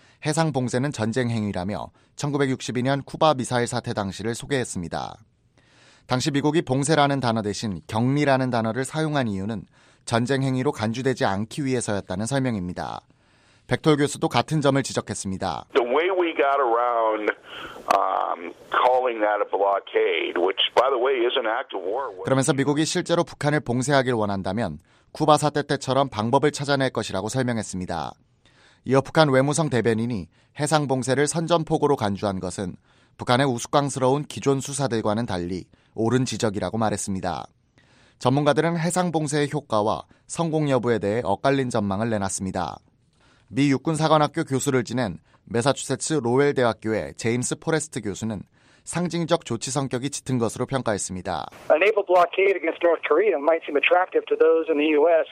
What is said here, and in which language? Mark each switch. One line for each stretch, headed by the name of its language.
Korean: 해상 봉쇄는 전쟁 행위라며 1962년 쿠바 미사일 사태 당시를 소개했습니다. 당시 미국이 봉쇄라는 단어 대신 격리라는 단어를 사용한 이유는 전쟁 행위로 간주되지 않기 위해서였다는 설명입니다. 백톨 교수도 같은 점을 지적했습니다.
English: The way we got around calling that a blockade, which by the way is an act of war.
Korean: 그러면서 미국이 실제로 북한을 봉쇄하길 원한다면 쿠바 사태 때처럼 방법을 찾아낼 것이라고 설명했습니다. 이어 북한 외무성 대변인이 해상 봉쇄를 선전포고로 간주한 것은 북한의 우스꽝스러운 기존 수사들과는 달리 옳은 지적이라고 말했습니다. 전문가들은 해상 봉쇄의 효과와 성공 여부에 대해 엇갈린 전망을 내놨습니다. 미 육군사관학교 교수를 지낸 매사추세츠 로웰 대학교의 제임스 포레스트 교수는 상징적 조치 성격이 짙은 것으로 평가했습니다.
English: A naval blockade against North Korea might seem attractive to those in the U.S.